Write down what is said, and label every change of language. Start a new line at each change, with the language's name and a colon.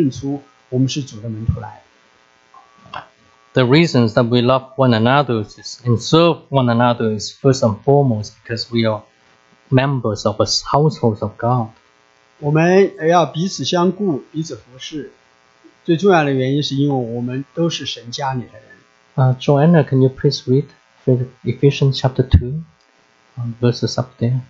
Chinese: 正如主耶稣基督如何爱属他的人，他要我们做基督徒的，也要彼此这样相爱，以至于人因此就认出我们是主的门徒来。
English: The reasons that we love one another is and serve one another is first and foremost because we are members of a household of God.
Chinese: 我们要彼此相顾，彼此服侍。最重要的原因是因为我们都是神家里的人。
English: Joanna, can you please read Ephesians chapter 2, verses up there?